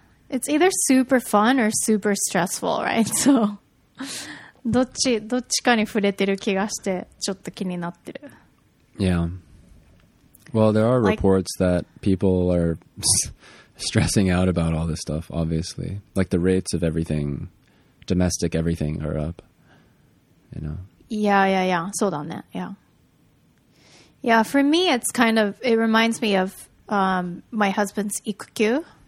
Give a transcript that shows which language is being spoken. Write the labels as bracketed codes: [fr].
[en] It's either super fun or super stressful, right? So... [ja] どっちかに触れてる気がしてちょっと気になってる。 [en] Yeah. Well, there are reports like, that people are stressing out about all this stuff, obviously. Like the rates of everything, domestic everything are up. You know? Yeah. [ja] そうだね。 [en] Yeah. Yeah, for me, it's kind of, it reminds me of my husband's 育休.